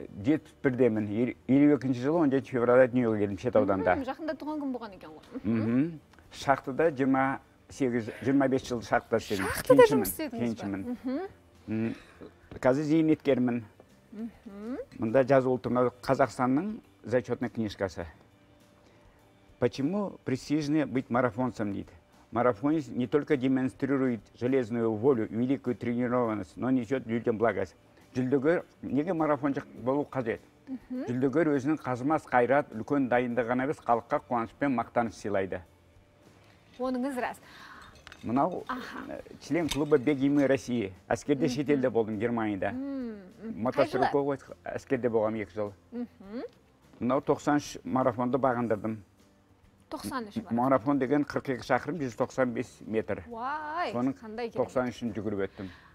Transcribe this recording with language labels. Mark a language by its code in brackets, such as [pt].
[kk] 71-демін, 52-ші жылы, 17 февраля Нью-Йорк келдім, шет ауданда. Жақында туған күн болған екен ғой. Шахтыда 25 жыл шахтыда істедім. Шахтыда жұмыс істедіңіз ба? Кеншімін. Қазір зейнеткермін. Мұнда жазу ұлтыма Қазақстанның зачетный книжкасы. [ru] Почему престижно быть марафонцем дейді? Марафонец не только демонстрирует железную волю, великую тренированность, но несет людям благость. [kk] Жүлдегер, неге марафончик болу қажет? Жүлдегер өзінің қазымас қайрат, үлкен дайындығын емес, халыққа қуаныш пен мақтаныш сыйлайды. Оныңыз рас. [ru] Мынау член клуба «Бегимы России». [kk] Әскерде шетелде болдым Германияда. Мотострелковый әскерде болғам 2 жыл. Мынау 93 марафонды бағындырдым. 93 марафон. Марафон деген 42 шақырым, 195 метр. Вай, соның 93-ін жүгіріп өттім.